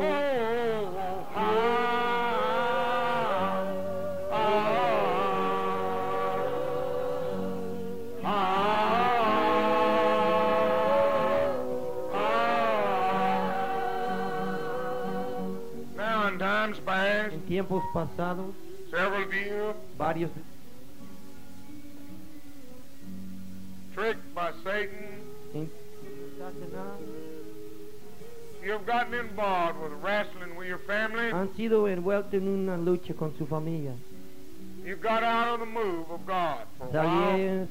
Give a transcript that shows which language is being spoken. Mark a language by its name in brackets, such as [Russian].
[English] now in times past [Spanish] en tiempos pasados [English] several of you [Spanish] varios [English] Satan. [Spanish] Satanás. [English] You've gotten involved with wrestling with your family. [Spanish] Han sido envuelto en una lucha con su familia. [English] You got out of the move of God for a while.